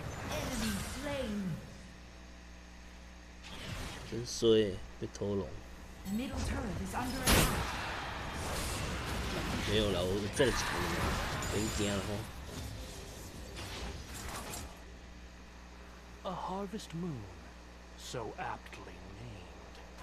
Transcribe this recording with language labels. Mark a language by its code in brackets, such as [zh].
[en] Enemy slain. [zh] 真衰，被偷龙。 [en] The middle turret is under attack. [zh] 没有了，我撞墙了，别惊了哈。 [en] A harvest moon, so aptly named.